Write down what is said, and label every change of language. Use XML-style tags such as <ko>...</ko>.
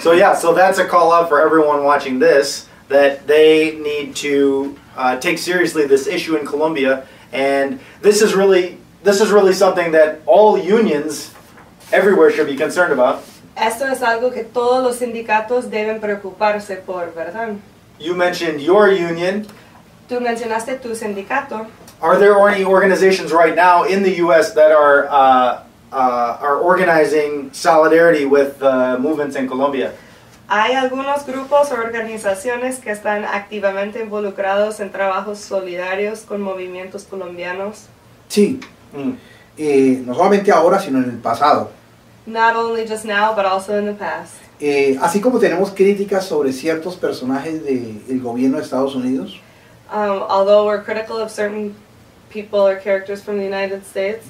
<en>So yeah, so that's a call out for everyone watching this, that they need to take seriously this issue in Colombia. And this is really something that all unions everywhere should be concerned about.</en> <es>Esto es algo que todos los sindicatos deben preocuparse por, ¿verdad?</es> <en>You mentioned your union.</en> <es>Tú mencionaste tu sindicato.</es> <en>Are there any organizations right now in the U.S. that are organizing solidarity with the movements in Colombia?</en> <es>Hay algunos grupos o organizaciones que están activamente involucrados en trabajos solidarios con movimientos colombianos. Sí. Mm. No solamente ahora, sino en el pasado.</es> <en>Not only just now, but also in the past.</en> <es>Así como tenemos críticas sobre ciertos personajes de el gobierno de Estados Unidos.</es> <en>Although we're critical of certain people or characters from the United States.</en>